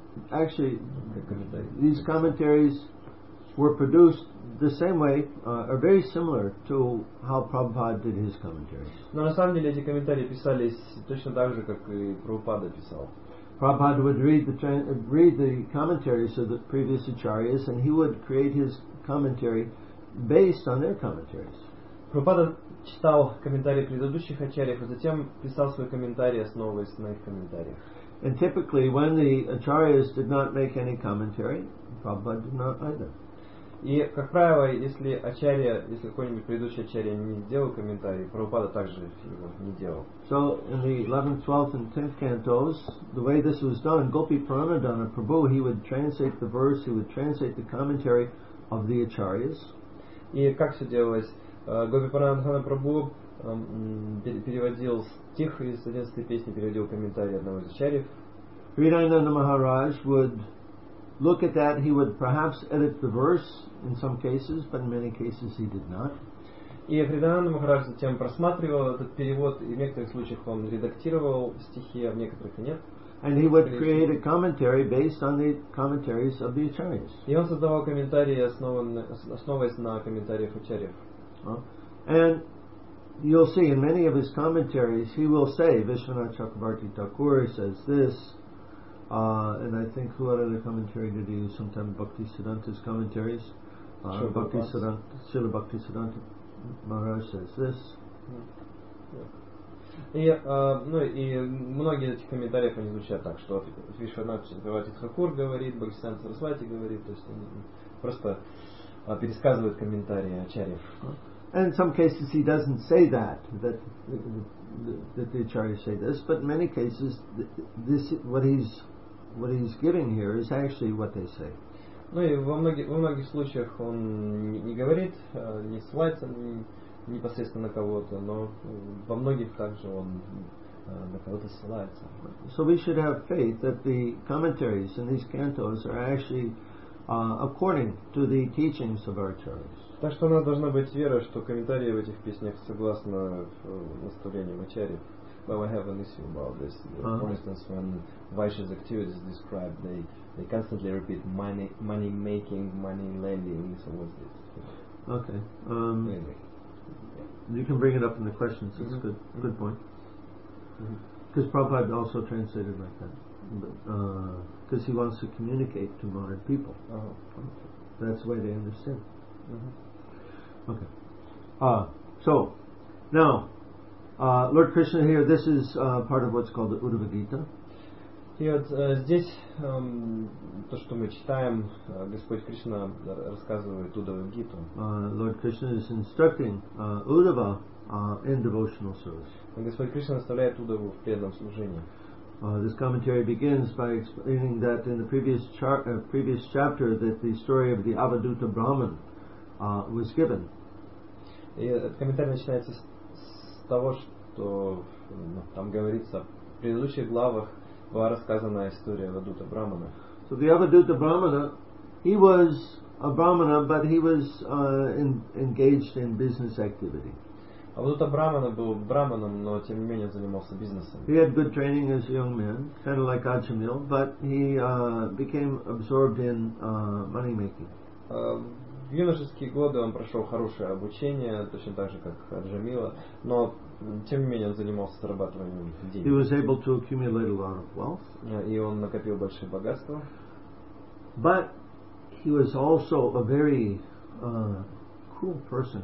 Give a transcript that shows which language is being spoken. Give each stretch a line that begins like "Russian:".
English: Actually, these commentaries were produced the same way, are very similar to how Prabhupada did his commentaries.
Russian: Но на самом деле эти комментарии писались точно так же, как и Прабхупада писал.
English: Prabhupada would read the commentaries of the previous acharyas, and he would create his commentary based on their commentaries.
Russian: Прабхупада читал комментарии предыдущих ачарьев, а затем писал свои комментарии, основываясь на их комментариях.
English: And typically, when the acharyas did not make any commentary, Prabhupada did not either.
Russian: И, как правило, если какой-нибудь предыдущий ачарья не сделал комментарий, Прабхупада также его не делал.
English: So, in the 11th, 12th and 10th cantos, the way this was done, Gopi Pranadana Prabhu, he would translate the verse, he would translate the commentary of the acharyas.
Russian: И как все делалось? Гопи Пранадана Прабху переводил стих из 11-й песни, переводил комментарий одного из ачарьев.
English: Хридайнанда Махарадж would look at that, he would perhaps edit the verse in some cases, but in many cases he did not.
Russian: И Хридайнанда Махарадж затем просматривал этот перевод, и в некоторых случаях он редактировал стихи, а в некоторых нет.
English: And he would create a commentary based on the commentaries of the acharyas.
Russian: И он создавал комментарии, основываясь на комментариях ачарьев.
English: And you'll see in many of his commentaries, he will say, Vishwanath Chakrabarti Thakur says this, and I think who other commentary did he use? Sometimes Bhakti Siddhanta's commentaries. Bhakti Siddhanta Maharaj says this.
Russian: И многие из этих комментариев они звучат так, что Вишванат Чакрабарти Хакур говорит, Бхакти Сиддханта Сарасвати говорит, то есть они просто пересказывают комментарии ачарьев.
English: And in some cases he doesn't say that the acharyas say this, but in many cases this what he's giving here is actually what they say.
Russian: Ну и во многих случаях он не говорит, не ссылается непосредственно на кого-то, но во многих также он на кого-то ссылается.
English: So we should have faith that the commentaries in these cantos are actually according to the teachings of our Acharyas.
Russian: Так что у нас должна быть вера, что комментарии в этих песнях согласны наставлениям Ачарьи.
English: Well, we have an issue about this. For instance, when Vaishya's activities are described, they constantly repeat money making, money lending, so what's this? Okay. You can bring it up in the questions. It's mm-hmm. good point. Because mm-hmm. Prabhupada also translated like that. Because he wants to communicate to modern people. Uh-huh. That's the way they understand. Mm-hmm. Okay. Lord Krishna here, this is part of what's called the Uddhava Gita.
Russian: И вот здесь то, что мы читаем, Господь Кришна рассказывает Удаву Гиту.
English: Lord Krishna is instructing Uddhava in devotional service.
Russian: Господь Кришна наставляет Удаву в преданном служении.
English: This commentary begins by explaining that in the previous chapter that the story of the Avaduta Brahman was given.
Russian: И этот комментарий начинается с того, что там говорится в предыдущих главах. Была рассказана история Авадута Брахмана.
English: So the Avaduta Brahmana, he was a Brahmana, but he was engaged in business activity.
Russian: Авадута Брахмана был Брахманом, но тем не менее занимался бизнесом.
English: He had good training as a young man, kind of like Ajamil, but he became absorbed in money making.
Russian: В юношеские годы он прошел хорошее обучение, точно так же, как Аджамила, но тем не менее он занимался зарабатыванием денег.
English: He was able to accumulate a lot of wealth.
Russian: И он накопил большое богатство.
English: But he was also a very cruel person.